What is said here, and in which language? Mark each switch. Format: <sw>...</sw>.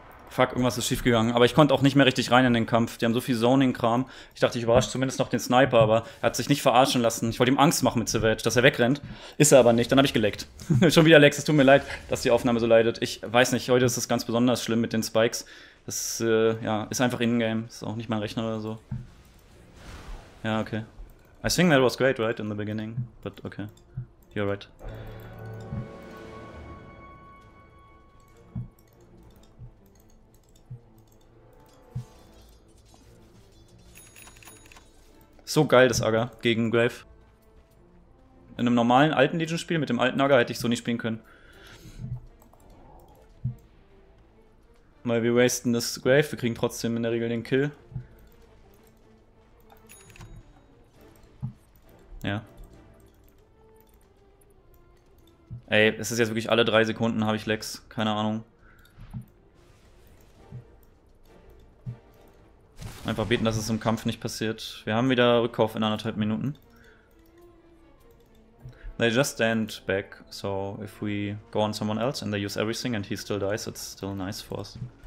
<de>Fuck, irgendwas ist schief gegangen. Aber ich konnte auch nicht mehr richtig rein in den Kampf. Die haben so viel Zoning-Kram. Ich dachte, ich überrasche zumindest noch den Sniper, aber er hat sich nicht verarschen lassen. Ich wollte ihm Angst machen mit Savage, dass er wegrennt. Ist er aber nicht. Dann habe ich geleckt. Schon wieder Lex, es tut mir leid, dass die Aufnahme so leidet. Ich weiß nicht, heute ist es ganz besonders schlimm mit den Spikes. Das ja, ist einfach in-game. Ist auch nicht mein Rechner oder so. Ja,</de> <en>okay. I think that was great, right, in the beginning. But okay, you're right.</en> <de>So geil, das Agar gegen Grave. In einem normalen alten Legion-Spiel mit dem alten Agar hätte ich so nicht spielen können. Weil wir wasten das Grave, wir kriegen trotzdem in der Regel den Kill. Ja. Ey, es ist jetzt wirklich alle 3 Sekunden habe ich Lex, keine Ahnung. Einfach beten, dass es im Kampf nicht passiert. Wir haben wieder Rückkauf in 1,5 Minuten.</de> <en>They just stand back, so if we go on someone else and they use everything and he still dies, it's still nice for us.</en>